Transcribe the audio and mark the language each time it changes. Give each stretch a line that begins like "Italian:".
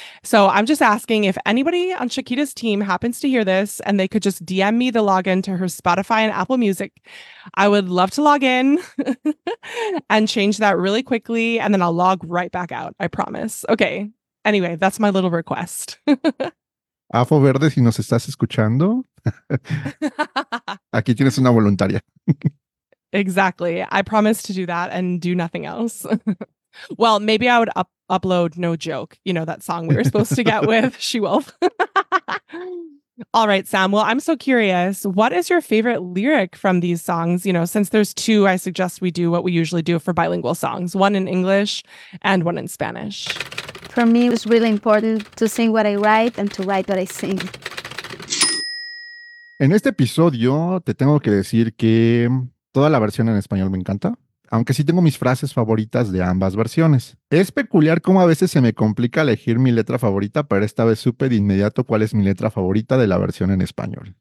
English: So I'm just asking if anybody on Shakira's team happens to hear this and they could just DM me the login to her Spotify and Apple Music, I would love to log in and change that really quickly. And then I'll log right back out, I promise. Okay. Anyway, that's my little request.
Spanish: Afo Verde, si nos estás escuchando, aquí tienes una voluntaria.
English: Exactly. I promise to do that and do nothing else. Well, maybe I would upload No Joke, you know, that song we were supposed to get with She-Wolf. All right, Sam. Well, I'm so curious. What is your favorite lyric from these songs? You know, since there's two, I suggest we do what we usually do for bilingual songs, one in English and one in Spanish. For me, it was really important to sing what I write and to write what I sing.
Spanish: En este episodio, te tengo que decir que toda la versión en español me encanta, aunque sí tengo mis frases favoritas de ambas versiones. Es peculiar cómo a veces se me complica elegir mi letra favorita, pero esta vez supe de inmediato cuál es mi letra favorita de la versión en español.